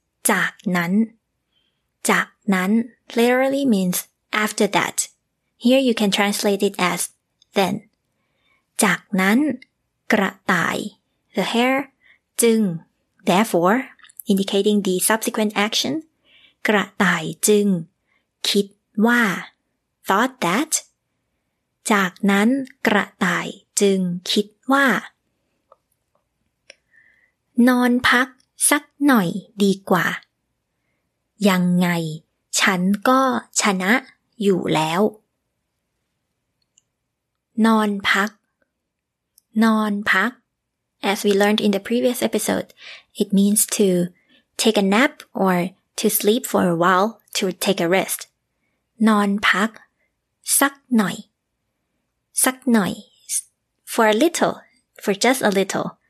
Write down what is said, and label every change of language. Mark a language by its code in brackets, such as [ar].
[en] จากนั้นจากนั้น literally means after that. Here you can translate it as then. จากนั้นกระต่าย the hare จึง therefore indicating the subsequent action [th] กระต่ายจึงคิดว่า [en] thought that จากนั้นกระต่ายจึงคิดว่าน [th] อนพักสักหน่อยดีกว่ายังไงฉันก็ชนะอยู่แล้วนอนพักนอนพัก [en] as we learned in the previous episode it means to take a nap or to sleep for a while to take a rest [th] นอนพักสักหน่อยสักหน่อย [en] for a little for just a little